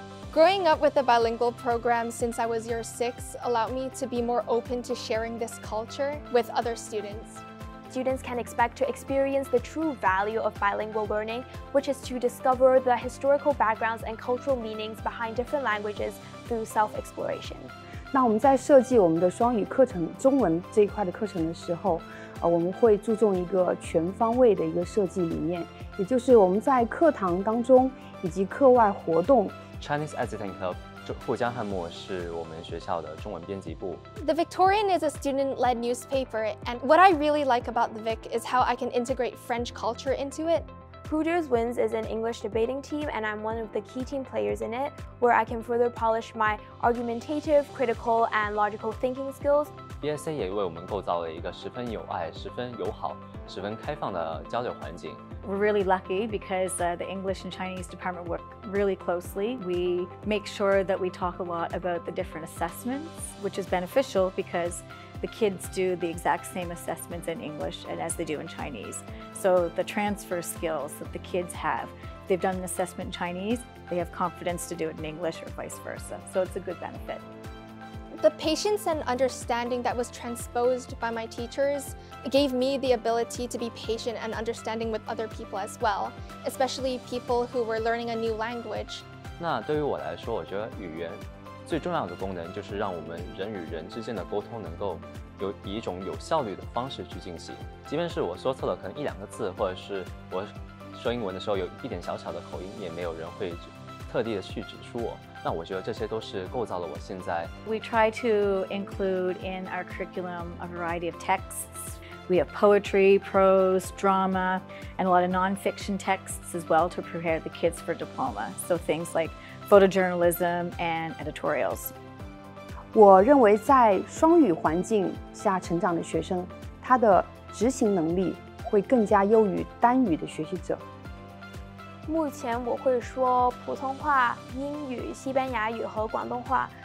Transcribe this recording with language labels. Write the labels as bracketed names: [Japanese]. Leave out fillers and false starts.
[English] Growing up with a bilingual program since I was year six allowed me to be more open to sharing this culture with other students. Students can expect to experience the true value of bilingual learning, which is to discover the historical backgrounds and cultural meanings behind different languages through self-exploration. [Chinese] 那我们在设计我们的双语课程中文这一块的课程的时候我们会注重一个全方位的一个设计理念也就是我们在课堂当中以及课外活动 Chinese Editing Club, 互江汉墨是我们学校的中文编辑部。 [English] The Victorian is a student-led newspaper, and what I really like about the Vic is how I can integrate French culture into it. Hooters Wins is an English debating team, and I'm one of the key team players in it, where I can further polish my argumentative, critical, and logical thinking skills. [Chinese] BSA 也为我们构造了一个十分有爱、十分友好、十分开放的交流环境。 [English] We're really lucky because the English and Chinese department work really closely. We make sure that we talk a lot about the different assessments, which is beneficial because the kids do the exact same assessments in English and as they do in Chinese. So the transfer skills that the kids have, they've done an assessment in Chinese, they have confidence to do it in English or vice versa. So it's a good benefit. The patience and understanding that was transposed by my teachers gave me the ability to be patient and understanding with other people as well, especially people who were learning a new language. [Chinese] 那对于我来说，我觉得语言最重要的功能就是让我们人与人之间的沟通能够有以一种有效率的方式去进行。即便是我说错了可能一两个字，或者是我说英文的时候有一点小小的口音，也没有人会特地的去指出我。那我觉得这些都是构造了我现在。 [English] We try to include in our curriculum a variety of texts. We have poetry, prose, drama, and a lot of non-fiction texts as well to prepare the kids for diploma. So things like photojournalism and editorials. [Chinese] 我认为在双语环境下成长的学生，他的执行能力会更加优于单语的学习者。目前我会说普通话、英语、西班牙语和广东话。